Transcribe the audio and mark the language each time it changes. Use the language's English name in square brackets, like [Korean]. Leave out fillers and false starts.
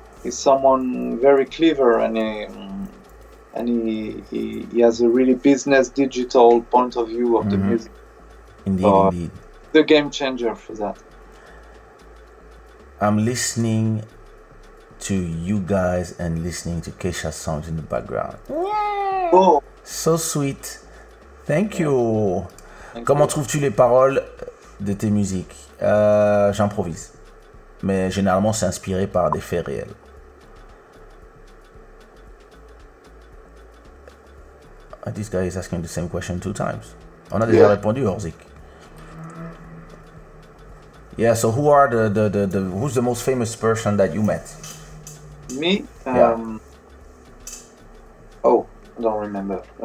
[English] He's someone very clever and he has a really business digital point of view of mm-hmm. the music. Indeed, indeed. The game changer for that. I'm listening to you guys and listening to Kesha's songs in the background. Yay! Oh. So sweet. Thank you. [French] Comment trouves-tu les paroles de tes musiques? J'improvise. Mais généralement, c'est inspiré par des faits réels. [English] This guy is asking the same question two times. [French] On a déjà répondu, [English] Orzik. Yeah, so who are the who's the most famous person that you met? Me? I don't remember.